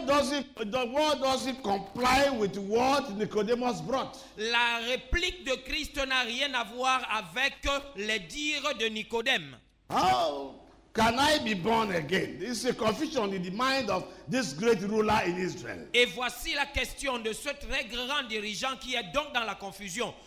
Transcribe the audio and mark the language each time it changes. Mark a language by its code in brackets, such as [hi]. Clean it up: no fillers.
[en] The word doesn't comply with what Nicodemus brought. [fr] La réplique de Christ n'a rien à voir avec les dires de Nicodème. [en] How Can I be born again? It's a confusion in the mind of this great ruler in Israel. [fr] Et voici la question de ce très grand dirigeant qui est donc dans la confusion.